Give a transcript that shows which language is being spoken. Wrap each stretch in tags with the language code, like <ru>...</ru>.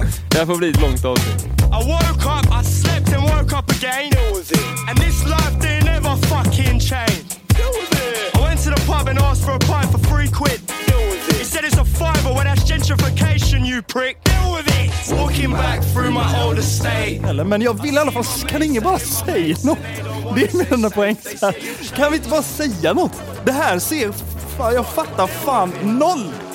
<sv>Det här får bli ett långt avsnitt.</sv> <en>I woke up, I slept and woke up again. And this life didn't never fucking change. I went to the pub and asked for a pint for 3 quid. He said it's a fiver, well that's gentrification you prick. Deal with it. Walking back through my old estate.</en> <sv>Eller, men jag vill i alla fall, kan ingen bara säga något? Det är min enda poäng. Kan vi inte bara säga något? Det här ser, fan, jag fattar fan noll.</sv>